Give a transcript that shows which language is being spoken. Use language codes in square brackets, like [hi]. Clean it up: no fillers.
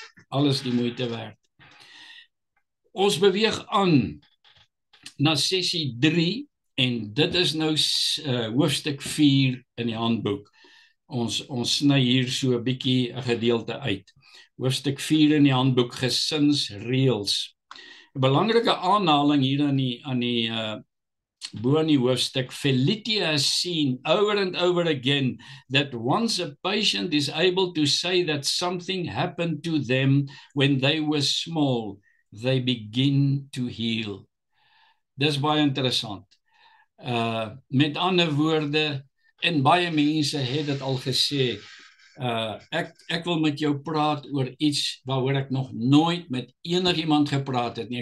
[af] Alles die moeite werd. Ons beweeg aan na sessie 3 en dit is nou hoofstuk 4 in die handboek. Ons sny hier so 'n bietjie 'n gedeelte uit. Hoofstuk 4 in die handboek gesinsreëls. 'n Belangrike aanhaling hier bo in die hoofstuk. [en] Felicia has seen over and over again that once a patient is able to say that something happened to them when they were small, they begin to heal. [af] Dis baie interessant. Met ander woorde, en baie mense het dit al gesê, ek wil met jou praat oor iets waaroor ek nog nooit met enigiemand gepraat het nie.